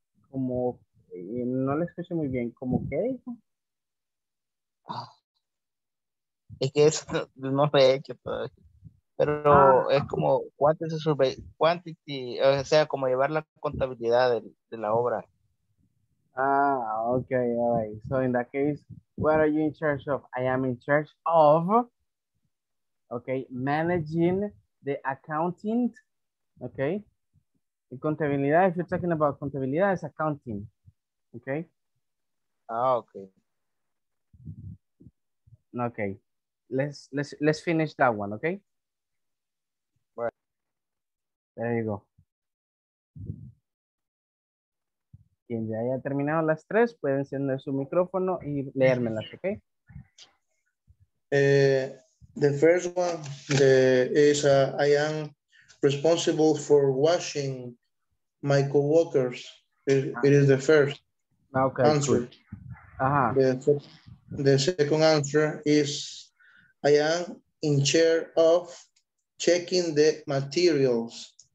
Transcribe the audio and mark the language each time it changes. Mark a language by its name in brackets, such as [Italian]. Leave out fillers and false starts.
[Spanish] Como no le escuché muy bien, ¿cómo qué dijo? Es que eso no lo he hecho todavía. Pero ah, es como quantity, o sea, como llevar la contabilidad de la obra. [English] Ah, okay, all right. So in that case, what are you in charge of? I am in charge of okay, managing the accounting, okay, the contabilidad, if you're talking about contabilidad, it's accounting, okay? Ah, okay. Okay, let's finish that one, okay? Right. There you go. [Spanish] Quien ya haya terminado las tres, puede encender su micrófono y leérmelas, okay? [English] The first one I am responsible for washing my coworkers. It is the first answer. The second answer is I am in charge of checking the materials.